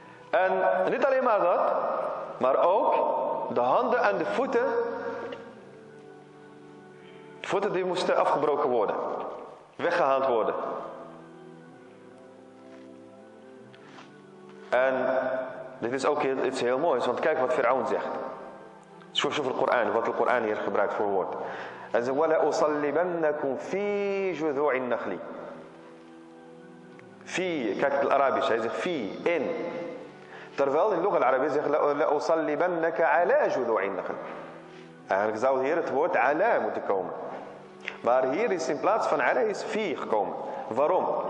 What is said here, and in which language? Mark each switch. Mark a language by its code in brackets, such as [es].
[nl] En niet alleen maar dat, maar ook de handen en de voeten die moesten afgebroken worden, weggehaald worden. En dit is ook iets heel moois, want kijk wat Firaun zegt. Zoals over de Koran, wat de Koran hier gebruikt voor woord. Hij zegt, [ar] وَلَا أُصَلِّبَنَّكُمْ فِي جُذُوعِ النَّخْلِ. [nl] Kijk het Arabisch, hij zegt, فِي, in. Terwijl in de Arabisch zegt, [ar] لَأُصَلِّبَنَّكَ عَلَى جُذُوعِ النَّخْلِ. [nl] Eigenlijk zou hier het woord عَلَى moeten komen. Maar hier is in plaats van عَلَى is فِي gekomen. Waarom?